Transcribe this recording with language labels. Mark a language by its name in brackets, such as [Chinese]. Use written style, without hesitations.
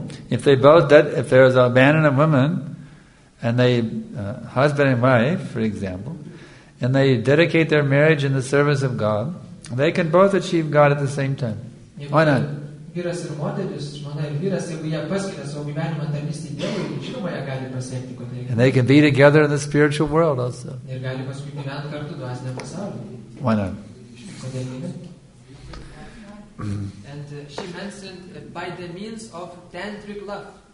[English] If they both, that if there is a man and a woman, and they husband and wife, for example, and they dedicate their marriage in the service of God, they can both achieve God at the same time. Why not? [Lithuanian] Vyras ir moteris, žmona ir vyras, jeigu jie paskiria savo gyvenimą tarnystei Dievui, žinoma, jie gali pasiekti kodėl. [English] And they can be together in the spiritual world also. [Lithuanian] Ir gali paskui gyventi kartu dvasinė pasaulyje. [English] Why not? [Lithuanian] Kodėl ne? [English] And she mentioned by the means of tantric love.